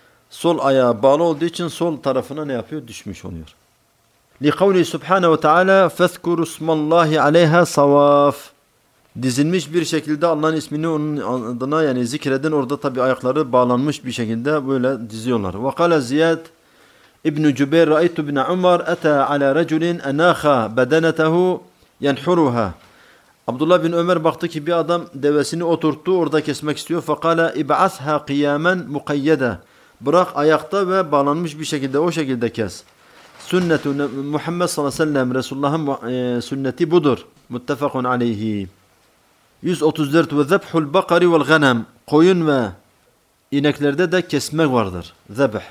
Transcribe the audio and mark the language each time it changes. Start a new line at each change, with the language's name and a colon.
Turkish: Sol ayağı bağlı olduğu için sol tarafına ne yapıyor? Düşmüş oluyor.
Arabic: لِقَوْلِ سُبْحَانَ وَتَعَالَى فَذْكُرُ اسْمَ اللّٰهِ عَلَيْهَا صَوَافْ
Turkish: Dizilmiş bir şekilde Allah'ın ismini onun adına yani zikredin. Orada tabi ayakları bağlanmış bir şekilde böyle diziyorlar.
Arabic: وَقَالَ زِيَادْ اِبْنُ جُبَيْرَ رَأَيْتُ بْنَ عُمَرْ اَتَى عَلَى رَجُلٍ اَنَاخَ بَدَنَتَهُ يَنْحُرُهَا
Turkish: Abdullah bin Ömer baktı ki bir adam devesini oturttu orada kesmek istiyor.
Arabic: فَقَالَ اِبْعَثْهَا قِيَامًا مُقَيَّدًا
Turkish: Bırak ayakta ve bağlanmış bir şekilde, o şekilde kes.
Arabic: Sünnetu Muhammed
Turkish: sallallahu aleyhi ve sellem, Resulullah'ın sünneti budur.
Arabic: Muttefakun aleyhi. 134 ve zebhul bakari vel ghanam.
Turkish: Koyun ve ineklerde de kesmek vardır. Zebh.